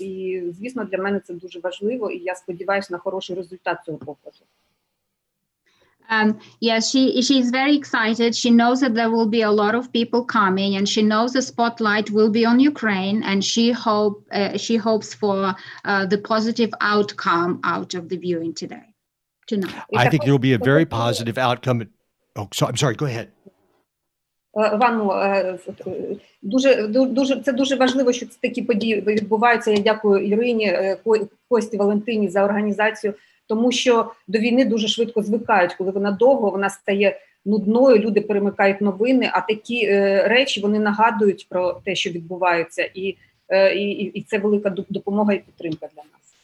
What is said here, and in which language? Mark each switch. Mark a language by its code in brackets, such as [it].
[uk] І, звісно, для мене це дуже важливо, і я сподіваюся на хороший результат цього показу. [en] Yes, she's very excited. She knows that there will be a lot of people coming, and she knows the spotlight will be on Ukraine, and she hopes for the positive outcome out of the viewing today, tonight. I think there will be a very positive outcome. Oh, so I'm sorry. Go ahead. [uk] Вану, дуже це дуже важливо, що такі події відбуваються. Я дякую Ірині, Кості, Валентині за організацію. Тому що до війни дуже швидко звикають, коли вона довго, вона стає нудною, люди перемикають новини, а такі речі, вони нагадують про те, що відбувається, і це велика допомога і підтримка для нас.